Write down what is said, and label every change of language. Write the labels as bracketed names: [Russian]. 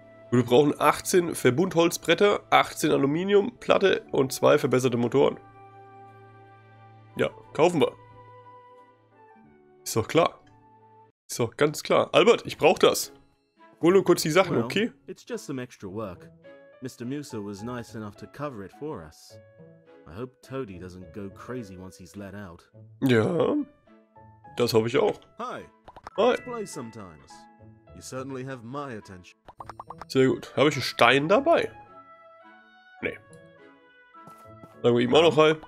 [German] Wir brauchen 18 Verbundholzbretter, 18 Aluminiumplatte und 2 verbesserte Motoren. Ja, kaufen wir. Ist doch klar. Ist doch ganz klar. Albert, ich brauch das. Hol nur kurz die Sachen, okay? [English] Well, it's just some extra work. Mr. Musa was nice enough to cover it for us. I hope Toadie doesn't go crazy once he's let out. [German] Ja, das hoffe ich auch. [English] Hi. Hi. Let's play sometimes. You certainly have my attention. [German] Sehr gut. Habe ich einen Stein dabei? Nee. Sagen wir ihm auch noch hi.